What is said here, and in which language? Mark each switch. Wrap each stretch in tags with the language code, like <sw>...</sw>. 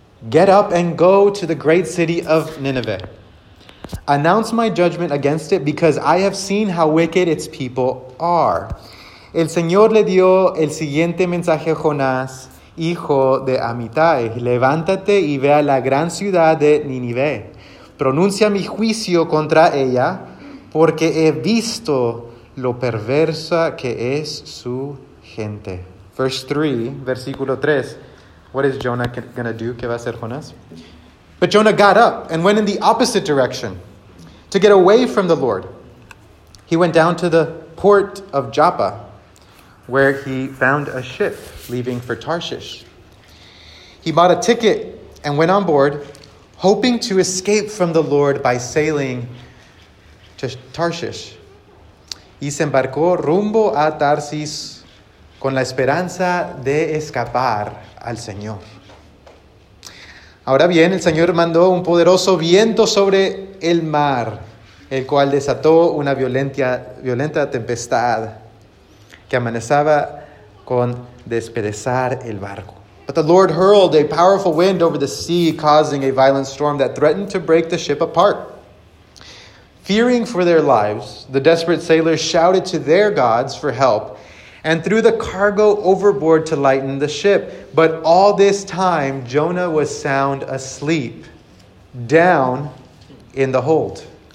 <en>Get up and go to the great city of Nineveh. Announce my judgment against it because I have seen how wicked its people are.</en> <es>El Señor le dio el siguiente mensaje a Jonás, hijo de Amittai. Levántate y ve a la gran ciudad de Nineveh. Pronuncia mi juicio contra ella porque he visto lo perversa que es su gente.</es> <en>Verse 3, versículo 3. What is Jonah going to do?</en> <es>¿Qué va a hacer Jonás?</es> <en>But Jonah got up and went in the opposite direction to get away from the Lord. He went down to the port of Joppa, where he found a ship leaving for Tarshish. He bought a ticket and went on board, hoping to escape from the Lord by sailing to Tarshish.</en> <es>Y se embarcó rumbo a Tarsis con la esperanza de escapar al Señor. Ahora bien, el Señor mandó un poderoso viento sobre el mar, el cual desató una violenta tempestad que amenazaba con despedazar el barco.</es> <en>But the Lord hurled a powerful wind over the sea, causing a violent storm that threatened to break the ship apart. Fearing for their lives, the desperate sailors shouted to their gods for help and threw the cargo overboard to lighten the ship. But all this time, Jonah was sound asleep, down in the hold.</en>